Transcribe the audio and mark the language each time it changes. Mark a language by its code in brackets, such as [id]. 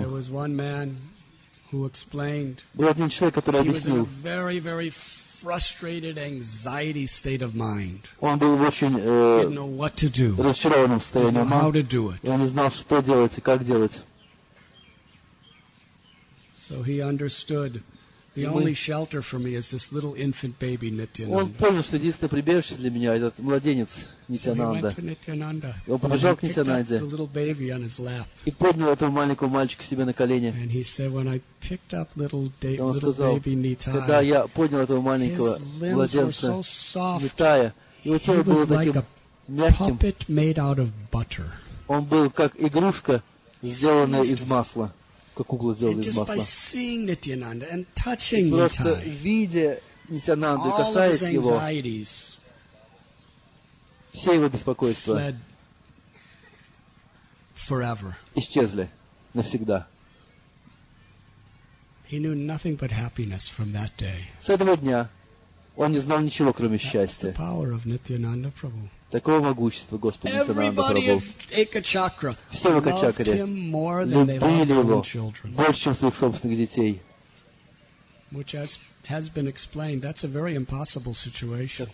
[en] there was one man who explained, [ru] был один человек, который [en] he [ru] объяснил, [en] was in a very, very frustrated anxiety state of mind. [ru] Он был в очень, [en] didn't know what to do. [ru] Расчарованном состоянии. [en] Didn't know how to do it. [ru] И он не знал, что делать и как делать. [en] So he understood. The only shelter for me is this little infant baby Nityananda. [ru] Он понял, что единственное прибежище для меня этот младенец Нитянанда. [en] So he went to Nityananda. [ru] И он побежал к Нитянанде. [en] The little baby on his lap. [ru] И поднял этого маленького мальчика себе на колени. [en] And he said, when I picked up little baby Nitai, [ru] когда я поднял этого маленького младенца Нитая, его тело было таким мягким. [en] Puppet made out of butter. [ru] Он был как игрушка, сделанная из масла. Как кукла сделана из масла. [en] Just by seeing Nityananda and touching [ru] и просто видя Нитянанду, касаясь его, все его беспокойства исчезли навсегда. [en] He knew nothing but happiness from that day. [ru] С этого дня он не знал ничего, кроме счастья. [en] Power of Nityananda Prabhu. [ru] Такого могущества Господа Нитянанда Прабху. Все в Экачакре любили его больше, чем своих собственных детей. Как